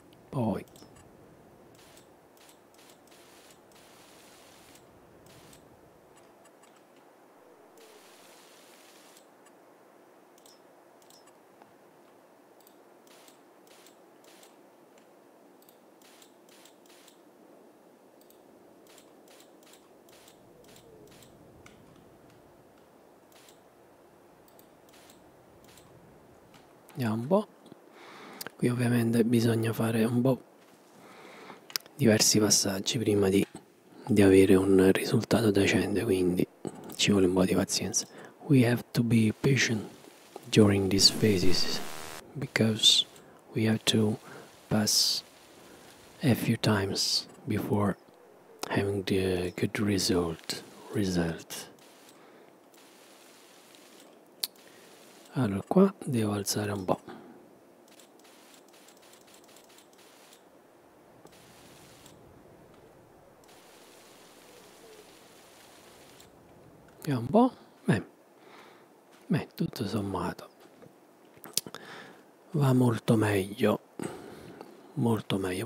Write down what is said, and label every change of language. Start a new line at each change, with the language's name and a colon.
Italian: Poi un po', qui ovviamente bisogna fare un po' diversi passaggi prima di avere un risultato decente, quindi ci vuole un po' di pazienza.
English: We have to be patient during these phases because we have to pass a few times before having the good result.
Italian: Allora qua devo alzare un po'. Vediamo un po'. Beh, tutto sommato va molto meglio. Molto meglio.